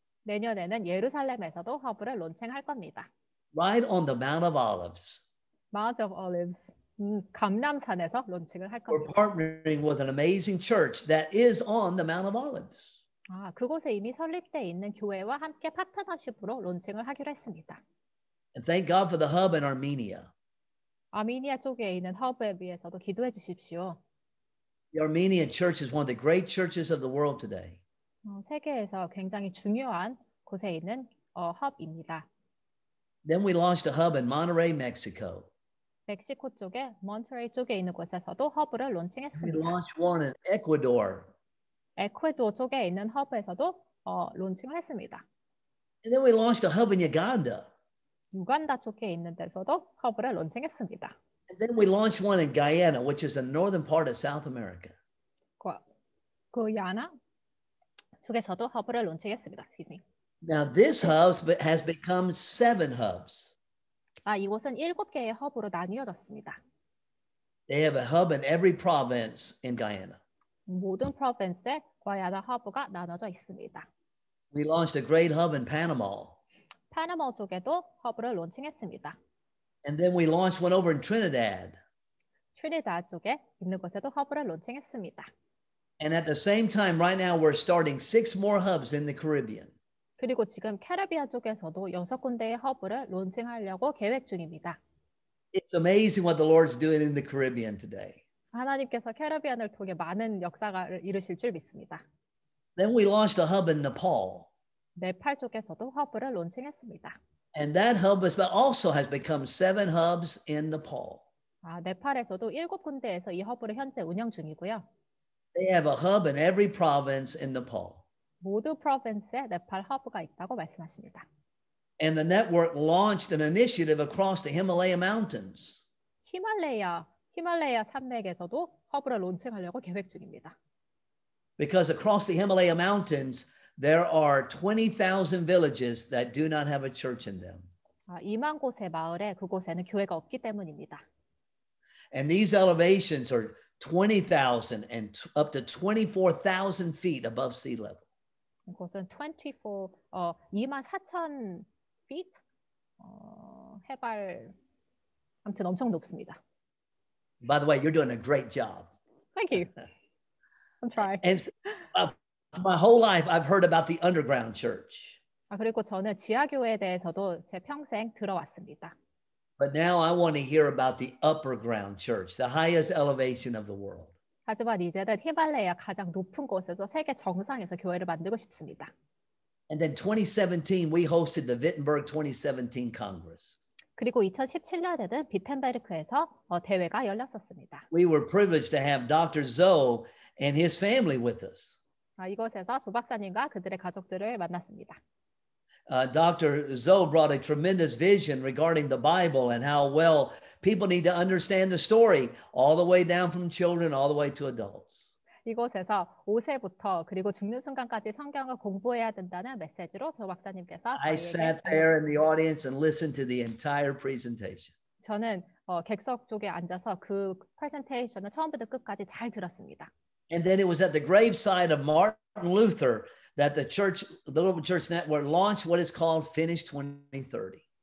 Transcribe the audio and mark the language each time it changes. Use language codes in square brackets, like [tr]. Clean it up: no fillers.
[ko] 내년에는 예루살렘에서도 허브를 론칭할 겁니다. [en] Right on the Mount of Olives. Mount of Olives. [ko] 감람산에서 론칭을 할 겁니다. [en] We're partnering with an amazing church that is on the Mount of Olives. [ko] 아, 그곳에 이미 설립돼 있는 교회와 함께 파트너십으로 론칭을 하기로 했습니다. [en] And thank God for the hub in Armenia. [ko] 아메니아 쪽에 있는 허브에 비해서도 기도해 주십시오. [en] The Armenian church is one of the great churches of the world today. [ko] 세계에서 굉장히 중요한 곳에 있는 허브입니다. [en] Then we launched a hub in Monterrey, Mexico. [ko] 멕시코 쪽에 몬테레이 쪽에 있는 곳에서도 허브를 론칭했습니다. [en] We launched one in Ecuador. [ko] 에콰도르 쪽에 있는 허브에서도 론칭을 했습니다. [en] And then we launched a hub in Uganda. [ko] 우간다 쪽에 있는 데서도 허브를 론칭했습니다. [en] And then we launched one in Guyana, which is the northern part of South America. [ko] 구야나 쪽에서도 허브를 론칭했습니다. [en] Excuse me. Now this hub has become 7 hubs. [ko] 아, 이곳은 7개의 허브로 나뉘어졌습니다. [en] They have a hub in every province in Guyana. [ko] 모든 프로빈스에 과야나 허브가 나눠져 있습니다. [en] We launched a great hub in Panama. [ko] 파나마 쪽에도 허브를 론칭했습니다. [en] And then we launched one over in Trinidad. [ko] 트리니다드 쪽에 있는 곳에도 허브를 론칭했습니다. [en] And at the same time, right now, we're starting 6 more hubs in the Caribbean. [ko] 그리고 지금 캐리비안 쪽에서도 6군데의 허브를 론칭하려고 계획 중입니다. [en] It's amazing what the Lord's doing in the Caribbean today. [ko] 하나님께서 캐리비안을 통해 많은 역사를 이루실 줄 믿습니다. [en] Then we launched a hub in Nepal. [ko] 네팔 쪽에서도 허브를 론칭했습니다. [en] And that hub also has become 7 hubs in Nepal. [ko] 아, 네팔에서도 7군데에서 이 허브를 현재 운영 중이고요. [en] They have a hub in every province in Nepal. [ko] 모두 프로빈스에 네팔 허브가 있다고 말씀하십니다. [en] And the network launched an initiative across the Himalaya Mountains. [ko] 히말레야 산맥에서도 허브를 론칭하려고 계획 중입니다. [en] Because across the Himalaya Mountains, there are 20,000 villages that do not have a church in them. [ko] 2만 곳의 마을에 그곳에는 교회가 없기 때문입니다. [en] And these elevations are 20,000 and up to 24,000 feet above sea level. [ko] 이곳은 24,000 feet 해발 아무튼 엄청 높습니다. [en] By the way, you're doing a great job. Thank you. I'm trying. And my whole life, I've heard about the underground church. [ko] 아, 그리고 저는 지하교회에 대해서도 제 평생 들어왔습니다. [en] But now I want to hear about the upper ground church, the highest elevation of the world. [ko] 하지만 이제는 히말라야 가장 높은 곳에서 세계 정상에서 교회를 만들고 싶습니다. [en] And then 2017, we hosted the Wittenberg 2017 Congress. [ko] 그리고 2017년에는 비텐베르크에서 대회가 열렸었습니다. [en] We were privileged to have Dr. Zhou and his family with us. [ko] 이곳에서 조 박사님과 그들의 가족들을 만났습니다. [en] Dr. Zhou brought a tremendous vision regarding the Bible and how well people need to understand the story all the way down from children all the way to adults. [ko] 이곳에서 5세부터 그리고 죽는 순간까지 성경을 공부해야 된다는 메시지로 조 박사님께서 [en] I sat there in the audience and listened to the entire presentation. [ko] 저는 객석 쪽에 앉아서 그 프레젠테이션을 처음부터 끝까지 잘 들었습니다. [en] And then it was at the graveside of Martin Luther that the church, the Global Church Network launched what is called Finish 2030.